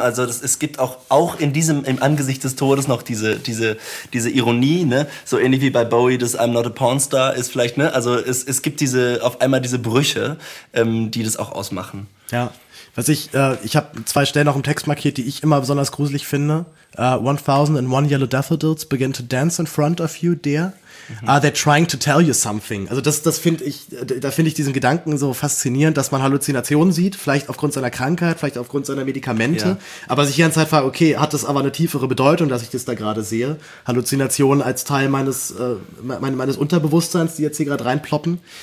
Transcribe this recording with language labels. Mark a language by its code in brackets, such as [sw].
[de] Also, es gibt auch in diesem, im Angesicht des Todes noch diese Ironie, ne? So ähnlich wie bei Bowie, das [en] I'm not a porn star [de] ist vielleicht, ne? Also, es gibt diese, auf einmal diese Brüche, die das auch ausmachen. Ja. Was ich habe zwei Stellen noch im Text markiert, die ich immer besonders gruselig finde. [en] 1001 yellow daffodils begin to dance in front of you, dear. They're trying to tell you something. [de] Also das finde ich, da finde ich diesen Gedanken so faszinierend, dass man Halluzinationen sieht, vielleicht aufgrund seiner Krankheit, vielleicht aufgrund seiner Medikamente. Ja. Aber sich die ganze Zeit fragt, okay, hat das aber eine tiefere Bedeutung, dass ich das da gerade sehe? Halluzinationen als Teil meines Unterbewusstseins, die jetzt hier gerade reinploppen.